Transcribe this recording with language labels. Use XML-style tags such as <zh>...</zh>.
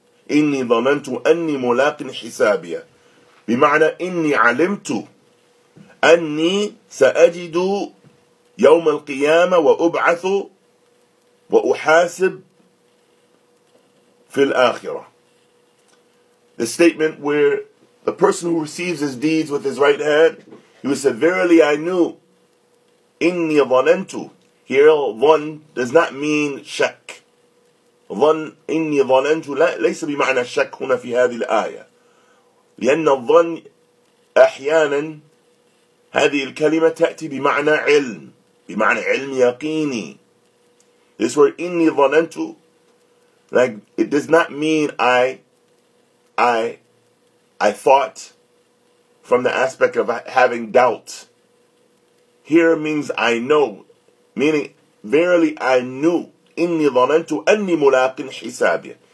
<ar>إني ظننت أني ملاق حسابي. بمعنى إني علمت أني سأجد يوم القيامة وأبعث وأحاسب في الآخرة.</ar> <en>The statement where the person who receives his deeds with his right hand, he would say, verily I knew, inni dhanantu. Here, dhan does not mean shak.</en> <ar>Dhan, inni dhanantu, ليس بمعنى shak هنا في هذه الآية. لأن الظن أحيانا هذه الكلمة تأتي بمعنى علم, بمعنى علم يقيني.</ar> <en>This word, inni dhanantu, like, it does not mean I thought, from the aspect of having doubt. Here means I know, meaning verily I knew, إِنِّي ظَنَنْتُ أَنِّي مُلَاقٍ حِسَابِيَ.</en>